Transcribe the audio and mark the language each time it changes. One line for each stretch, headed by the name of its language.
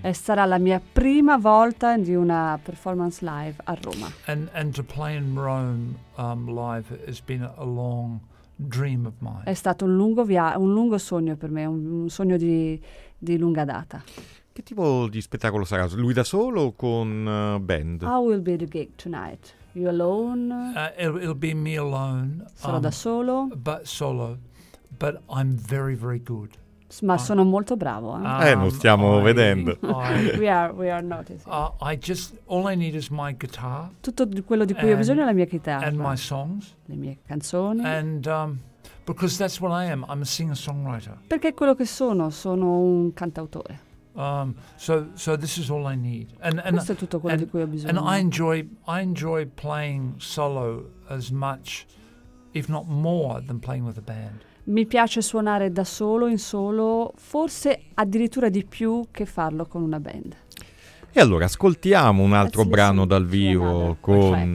Italian: E sarà la mia prima volta di una performance live a Roma.
English: And to play in Rome live has been a long dream of mine.
Italian: È stato un lungo sogno per me, un sogno di lunga data. Che tipo di spettacolo sarà? Lui da solo o con band?
English: How will be the gig tonight? You alone? It'll be me alone.
Italian: Sarò da solo.
English: But I'm very, very good.
Italian: Sono molto bravo. Non stiamo vedendo.
English: We are noticing. All I need is my guitar.
Italian: Tutto quello di cui ho bisogno è la mia chitarra.
English: And my songs.
Italian: Le mie canzoni.
English: And because that's what I am. I'm a singer-songwriter.
Italian: Perché è quello che sono un cantautore.
English: So this is all I need.
Italian: Questo è tutto quello di cui ho bisogno.
English: And I enjoy playing solo as much, if not more, than playing with a band.
Italian: Mi piace suonare da solo, in solo, forse addirittura di più che farlo con una band. E allora ascoltiamo un altro brano dal vivo con